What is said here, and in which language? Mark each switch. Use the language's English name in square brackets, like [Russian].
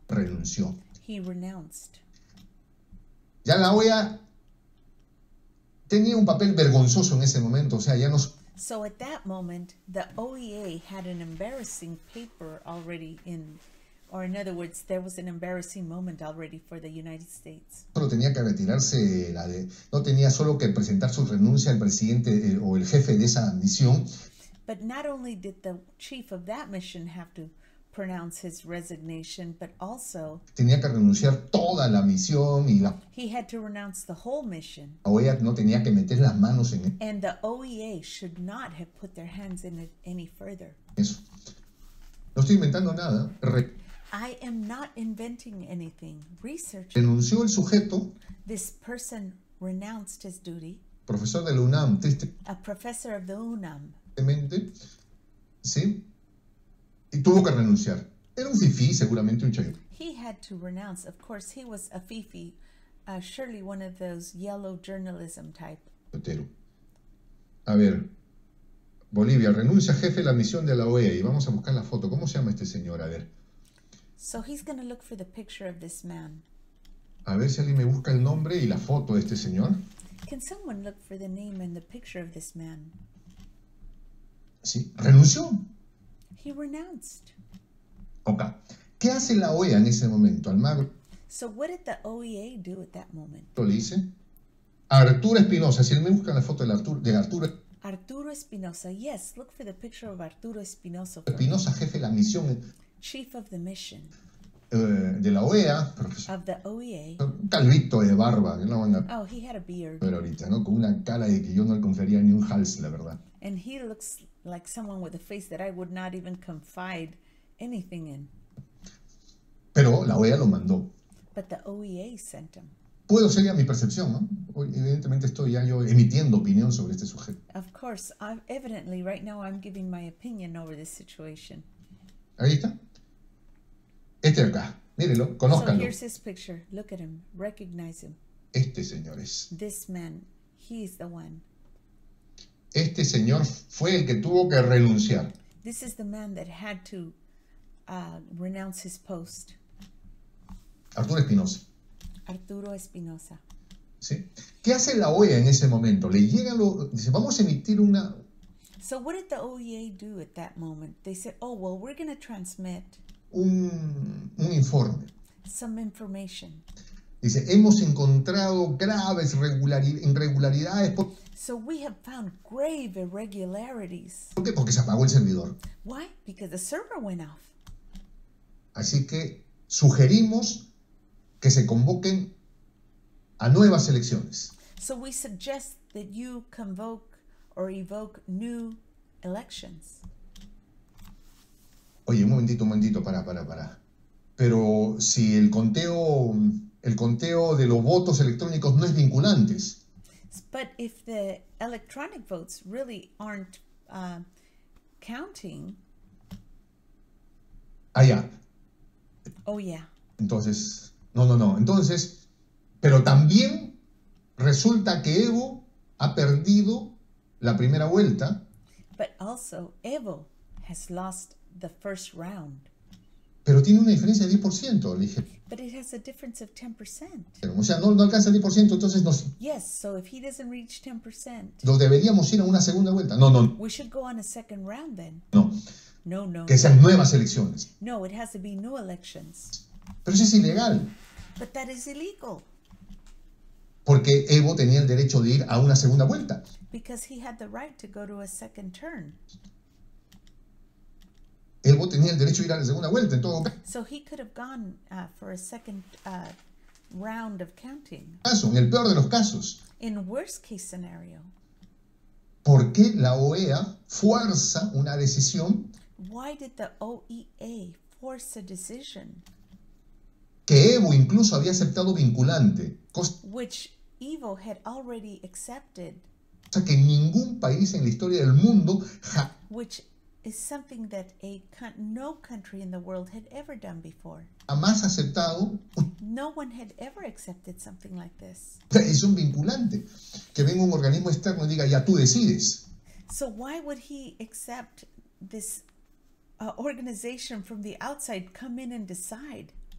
[Spanish] renunció. [English] He renounced. [Spanish] Ya la OEA tenía un papel vergonzoso en ese momento, o sea, ya nos. [English] So at that moment, the OEA had an embarrassing paper already in, or in other words, there was an embarrassing moment already for the United States. [Spanish] Solo tenía que retirarse, no tenía solo que presentar su renuncia al presidente o el jefe de esa misión. [English] But not only did the chief of that mission have to pronounce his resignation, but also [Spanish] tenía que renunciar toda la misión y la, [English] he had to renounce the whole mission. [Spanish] La OEA no tenía que meter las manos en, [English] and the OEA should not have put their hands in it any further. [Spanish] Eso. No estoy inventando nada. [English] I am not inventing anything. Research. [Spanish] Renunció el sujeto. [English] This person renounced his duty. [Spanish] Profesor de la UNAM. Triste. [English] A professor of the UNAM. [Spanish] Demente. Sí. Y tuvo que renunciar. Era un fifí, seguramente un chayote. [English] He had to renounce. Of course, he was a fifí. Surely one of those yellow journalism type. [Spanish] Otero. A ver. Bolivia, renuncia jefe de la misión de la OEA. Y vamos a buscar la foto. ¿Cómo se llama este señor? A ver. [English] So he's going to look for the picture of this man. [Spanish] A ver si alguien me busca el nombre y la foto de este señor. [English] Can someone look for the name and the picture of this man? [Spanish] Sí, renunció. [English] He renounced. Okay. [Spanish] ¿Qué hace la OEA en ese momento, Almagro? [English] So what did the OEA do at that moment? [Spanish] ¿Lo le dice? Arturo Espinosa, si él me busca la foto de Arturo. [English] Arturo Espinosa, yes, look for the picture of Arturo Espinosa. [Spanish] Espinosa, jefe de la misión. [English] Chief of the mission. [Spanish] De la OEA, profesor. [English] Of the OEA. [Spanish] Un calvito de barba. No, no. [English] Oh, he had a beard. [Spanish] Pero ahorita, ¿no? Con una cara de que yo no le confiaría ni un hals, la verdad. [English] And he looks like someone with a face that I would not even confide anything in. [Spanish] Pero la OEA lo mandó. [English] But the OEA sent him. [Spanish] Puedo ser ya mi percepción, ¿no? Evidentemente estoy ya yo emitiendo opinión sobre este sujeto. [English] Of course, evidently, right now I'm giving my opinion over this situation. [Spanish] Ahí está. Este de acá. Mírenlo, conózcanlo. [English] So here's his picture. Look at him. Recognize him. [Spanish] Este señor es. [English] This man. He is the one. [Spanish] Este señor fue el que tuvo que renunciar. [English] This is the man that had to renounce his post. [Spanish] Arturo Espinosa. Arturo Espinosa. ¿Sí? ¿Qué hace la OEA en ese momento? Le llega lo, dice, vamos a emitir una. [English] So what did the OEA do at that moment? They said, oh, well, we're going to transmit [Spanish] un informe. [English] Some information. [Spanish] Dice, hemos encontrado graves irregularidades. [English] So we have found grave irregularities. [Spanish] ¿Por qué? Porque se apagó el servidor. [English] Why? Because the server went off. [Spanish] Así que sugerimos que se convoquen a nuevas elecciones. [English] So we suggest that you convoke or evoke new elections. [Spanish] Oye, un momentito, para. Pero si el conteo de los votos electrónicos no es vinculante. [English] But if the electronic votes really aren't counting. [Spanish] Ah, ya. [English] Oh, yeah. [Spanish] Entonces, no. Entonces, pero también resulta que Evo ha perdido la primera vuelta. [English] But also, Evo has lost the first round. [Spanish] Pero tiene una diferencia de 10%, le dije. [English] But it has a difference of 10%. [Spanish] Pero, o sea, no alcanza el 10%, entonces nos... [English] Yes, so if he doesn't reach 10%. [Spanish] Nos deberíamos ir a una segunda vuelta. No, no. [English] We should go on a second round then. [Spanish] No. No, no. Que sean nuevas elecciones. [English] No, it has to be new elections. [Spanish] Pero eso es ilegal. [English] But that is illegal. [Spanish] Porque Evo tenía el derecho de ir a una segunda vuelta. [English] Because he had the right to go to a second turn. [Spanish] Evo tenía el derecho de ir a la segunda vuelta, en todo caso. [English] So he could have gone for a second round of counting. [Spanish] En el peor de los casos. [English] In worst case scenario. [Spanish] ¿Por qué la OEA fuerza una decisión? [English] Why did the OEA force a decision? [Spanish] Que Evo incluso había aceptado vinculante. [English] Which Evo had already accepted. [Spanish] O sea, que ningún país en la historia del mundo... [English] Which is something that no country in the world had ever done before. [Spanish] Jamás aceptado... [English] No one had ever accepted something like this. [Spanish] Es un vinculante. Que venga un organismo externo y diga, ya tú decides. [English] So why would he accept this organization from the outside, come in and decide?